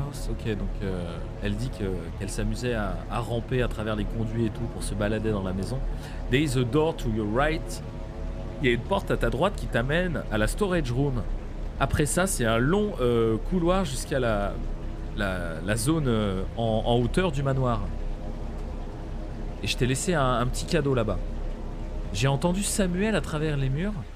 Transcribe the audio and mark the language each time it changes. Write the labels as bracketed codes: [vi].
[fr] Ok, donc elle dit qu'elle s'amusait à ramper à travers les conduits et tout pour se balader dans la maison. [en] There is a door to your right. [fr] Il y a une porte à ta droite qui t'amène à la [en] storage room. [fr] Après ça, c'est un long couloir jusqu'à la zone en hauteur du manoir. Et je t'ai laissé un petit cadeau là-bas. J'ai entendu Samuel à travers les murs.